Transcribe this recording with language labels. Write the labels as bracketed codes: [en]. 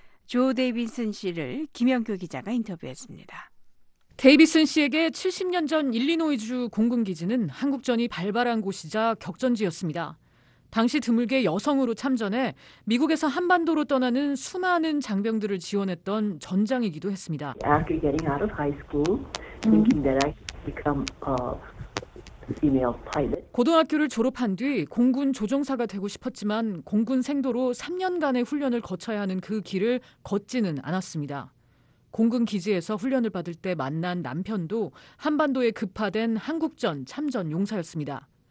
[ko] 조 데이빈슨 씨를 김영규 기자가 인터뷰했습니다. 데이비슨 씨에게 70년 전 일리노이주 공군기지는 한국전이 발발한 곳이자 격전지였습니다. 당시 드물게 여성으로 참전해 미국에서 한반도로 떠나는 수많은 장병들을 지원했던 전장이기도 했습니다. [en] After getting out of high school, thinking that I could become a female pilot. [ko] 고등학교를 졸업한 뒤 공군 조종사가 되고 싶었지만 공군 생도로 3년간의 훈련을 거쳐야 하는 그 길을 걷지는 않았습니다. 공군 기지에서 훈련을 받을 때 만난 남편도 한반도에 급파된 한국전 참전 용사였습니다.